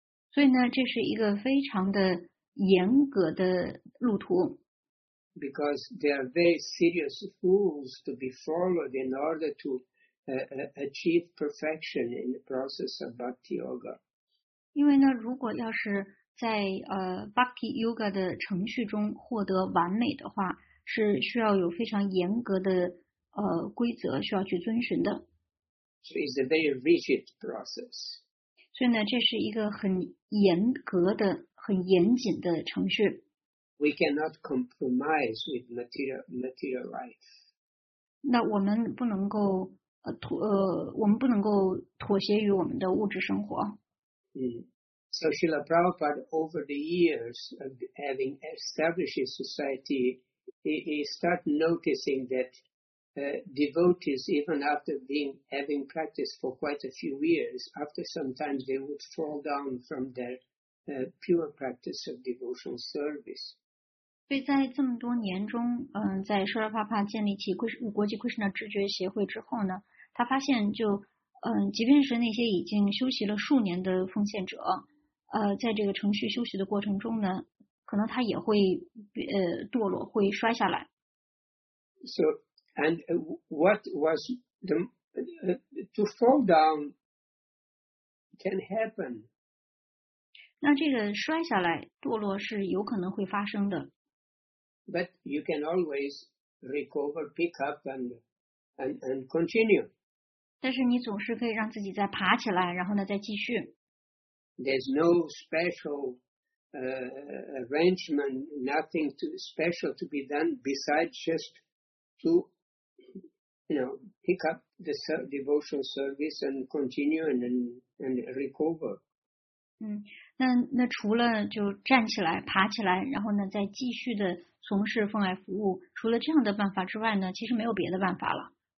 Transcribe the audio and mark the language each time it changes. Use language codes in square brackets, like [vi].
[zh] 所以呢这是一个非常的严格的路途。 [en] Because they are very serious rules to be followed in order to achieve perfection in the process of Bhakti Yoga. [zh] 因为呢，如果要是在Bhakti Yoga 的程序中获得完美的话，是需要有非常严格的规则需要去遵循的。 [en] So it's a very rigid process. [zh] 所以呢，这是一个很严格的、很严谨的程序。 [en] We cannot compromise with material life. [zh] 那我们不能够我们不能够妥协于我们的物质生活。 [en] So Srila Prabhupada, over the years of having established a society, he started noticing that devotees, even after having practiced for quite a few years, after sometimes they would fall down from their pure practice of devotional service. [zh] 所以在这么多年中，在舍勒帕帕建立起国际 Krishna 知觉协会之后呢，他发现就即便是那些已经修习了数年的奉献者，在这个程序修习的过程中呢，可能他也会堕落，会摔下来。 [en] So and what was the to fall down can happen? [zh] 那这个摔下来堕落是有可能会发生的。 [en] But you can always recover, pick up, and continue. [zh] 但是你总是可以让自己再爬起来，然后呢再继续。 [en] There's no special arrangement, nothing special to be done besides just to, you know, pick up the devotional service and continue and recover. [zh] 那除了就站起来、爬起来，然后呢再继续的从事奉爱服务，除了这样的办法之外呢，其实没有别的办法了。